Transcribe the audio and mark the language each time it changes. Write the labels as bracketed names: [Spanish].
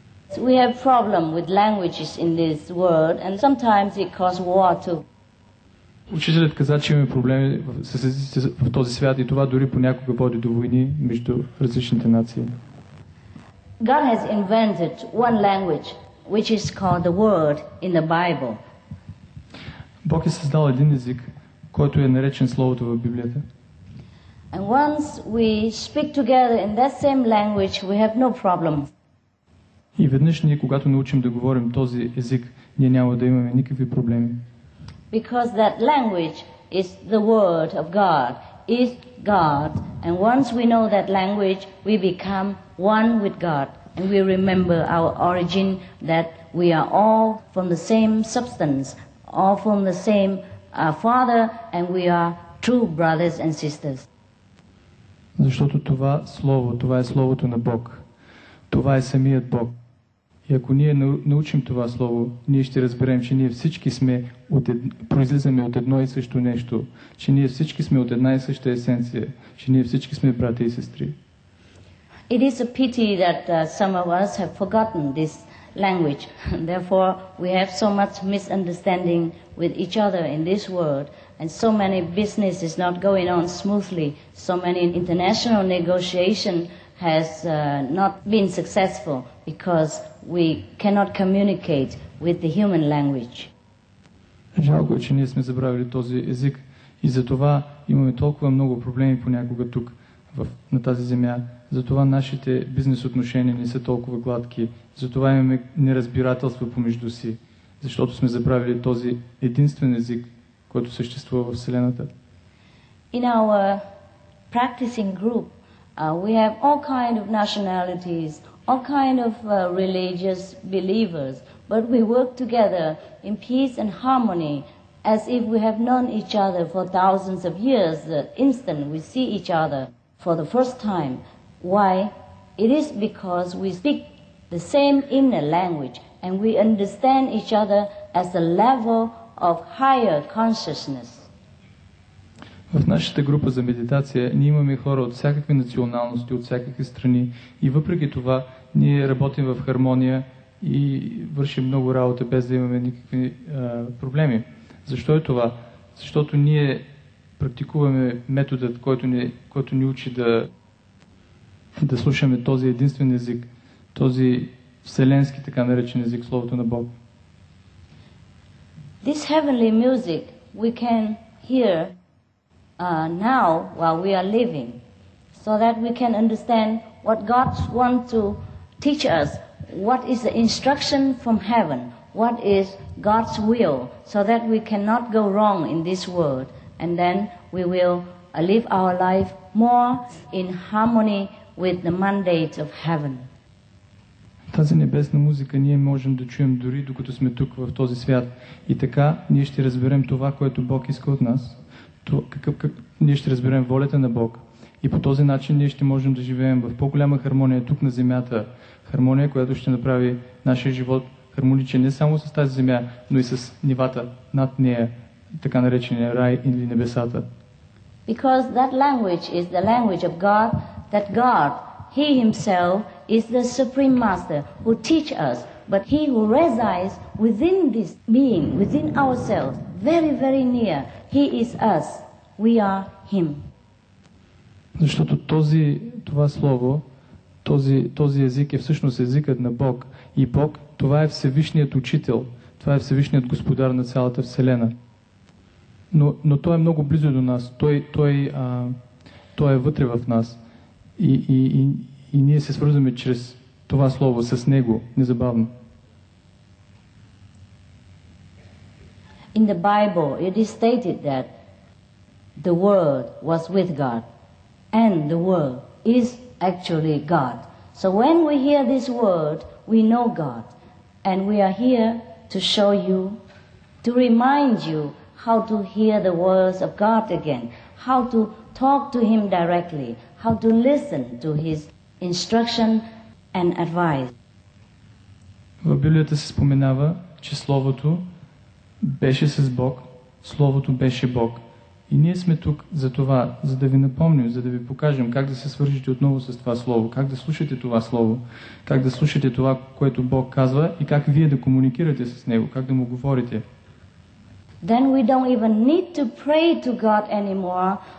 [English] So we have problem with languages in this world and sometimes it causes war too. [Bulgarian] Учителят каза, че имаме проблеми с езиците в този свят и това дори понякога води до войни между различните нации. [English] God has invented one language, which is called the word in the Bible. [Bulgarian] Бог е създал един език, който е наречен Словото в Библията. [English] And once we speak together in that same language, we have no problem. [Bulgarian] И веднъж ние, когато научим да говорим този език, ние няма да имаме никакви проблеми. [English] Because that language is the word of God, is God, and once we know that language, we become one with God, and we remember our origin, that we are all from the same substance, all from the same Father, and we are true brothers and sisters. [Bulgarian] Защото това слово, това е словото на Бог, това е самият Бог. И ако ние научим това слово, ние ще разберем, че ние всички сме произлизаме от едно и също нещо, че ние всички сме от една и съща есенция, че ние всички сме брати и сестри. [English] It is a pity that some of us have forgotten this language. Therefore, we have so much misunderstanding with each other in this world, and so many business is not going on smoothly, so many international negotiation has not been successful because we cannot communicate with the human language. [Bulgarian] Жалко е, че ние сме забравили този език и затова имаме толкова много проблеми понякога тук на тази земя. Затова нашите бизнес отношения не са толкова гладки. Затова имаме неразбирателство помежду си, защото сме забравили този единствен език, който съществува в Вселената. [English] In our practicing group, we have all kind of nationalities, all kind of religious believers, but we work together in peace and harmony as if we have known each other for thousands of years, the instant we see each other for the first time. Why? It is because we speak the same inner language and we understand each other as a level of higher consciousness. [Bulgarian] В нашата група за медитация ние имаме хора от всякакви националности, от всякакви страни и въпреки това ние работим в хармония и вършим много работа без да имаме никакви проблеми. Защо е това? Защото ние практикуваме методът, който ни учи да слушаме този единствен език, този вселенски така наречен език, Словото на Бог. [English] This heavenly music we can hear now while we are living, so that we can understand what God wants to teach us, what is the instruction from heaven, what is God's will, so that we cannot go wrong in this world, and then we will live our life more in harmony with the mandate of heaven. [Bulgarian] Тази небесна музика ние можем да чуем дори докато сме тук в този свят и така ние ще разберем това, което Бог иска от нас. Ние ще разберем волята на Бог и по този начин ние ще можем да живеем в по-голяма хармония тук на земята. Хармония, която ще направи нашия живот хармоничен не само с тази земя, но и с нивата над нея, така наречения рай или небесата. [English] Because that language is the language of God, that God, He Himself, is the Supreme Master who teach us, but He who resides within this being, within ourselves, very, very near. He is us. We are Him. [Bulgarian] Защото това слово, този език е всъщност езикът на Бог. И Бог, това е Всевишният Учител. Това е Всевишният Господар на цялата Вселена. Но Той е много близо до нас. Той е вътре в нас. И ние се свързваме чрез това слово с Него незабавно. [English] In the Bible it is stated that the Word was with God and the Word is actually God. So when we hear this word, we know God, and we are here to show you, to remind you how to hear the words of God again, how to talk to Him directly, how to listen to His instruction and advice. [Bulgarian] В Библията се споменава, че Словото беше с Бог, Словото беше Бог. И ние сме тук за това, за да ви напомним, за да ви покажем как да се свържете отново с това слово, как да слушате това слово, как да слушате това, което Бог казва и как вие да комуникирате с Него, как да му говорите. [English] Then we don't even need to pray to God anymore.